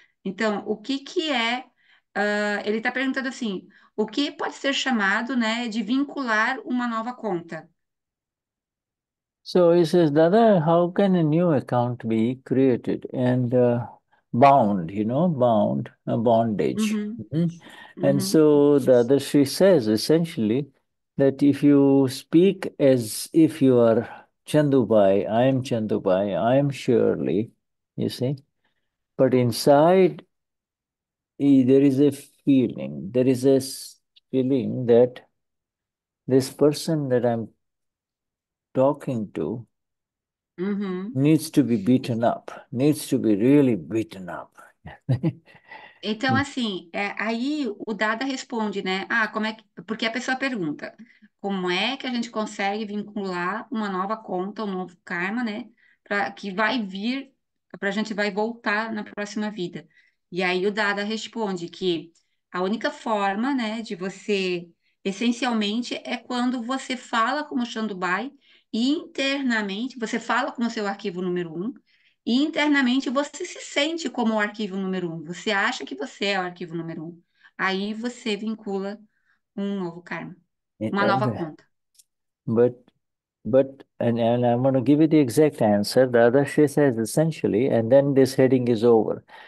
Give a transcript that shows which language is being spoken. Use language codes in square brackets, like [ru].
[pt] Então, o que que é... ele está perguntando assim, o que pode ser chamado, né, de vincular uma nova conta? [en] So he says, Dada, how can a new account be created and bound, you know, bound, a bondage? And so Dada, she says essentially that if you speak as if you are Chandubhai, I am Shirley, you see, but inside there is a feeling, there is a feeling that this person that I'm talking to needs to be beaten up, needs to be really beaten up. [pt] Então, assim, aí o Dada responde, né? Ah, como é que... Porque a pessoa pergunta, como é que a gente consegue vincular uma nova conta, um novo karma, né? Pra, que vai vir, para a gente vai voltar na próxima vida. E aí o Dada responde que a única forma, né, de você, essencialmente, é quando você fala como Chandubhai, internamente, você fala com o seu arquivo número um, e internamente você se sente como o arquivo número um, você acha que você é o arquivo número um. Aí você vincula um novo karma, uma nova conta. [en] And I'm going to give you the exact answer. The other she says essentially, and then this heading is over.